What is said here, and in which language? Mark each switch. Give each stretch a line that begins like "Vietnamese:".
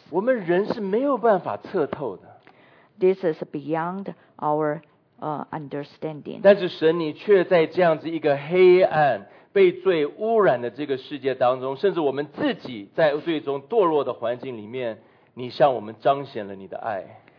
Chinese: 我们人是没有办法测透的。
English: This is beyond our understanding.
Chinese: 但是神，你却在这样子一个黑暗、被罪污染的这个世界当中，甚至我们自己在最终堕落的环境里面，你向我们彰显了你的爱。